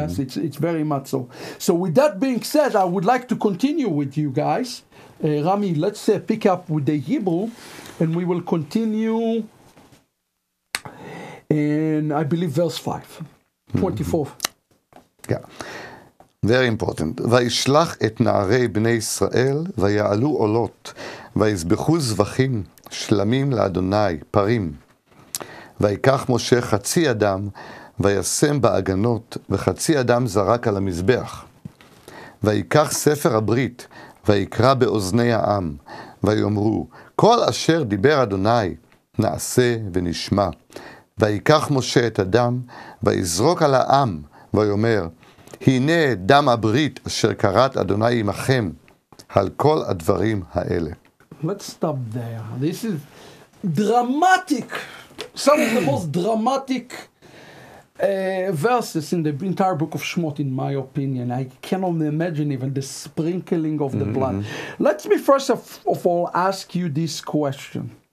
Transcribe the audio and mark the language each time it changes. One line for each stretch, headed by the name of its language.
English: Yes, mm-hmm. it's very much so. So with that being said, I would like to continue with you guys. Rami, let's pick up with the Hebrew, and we will continue in, I believe, verse 5, 24. Mm-hmm. Yeah. Very important.
Hebrew: וישלח את נערי בני ישראל ויעלו עולות ויזבחו זבחים שלמים לאדוני פרים ויקח משה חצי אדם וישם בהגנות וחצי אדם זרק על המזבח ויקח ספר הברית ויקרא באוזני העם ויאמרו כל אשר דיבר אדוני נעשה ונשמע ויקח משה את הדם ויזרוק על העם ויאמר הנה דם הברית אשר קראת אדוני עמכם על כל הדברים האלה.
English: Let's stop there. This is dramatic. Some of the most dramatic verses in the entire book of Shmot, in my opinion. I cannot imagine even the sprinkling of the blood. Let me first of all ask you this question.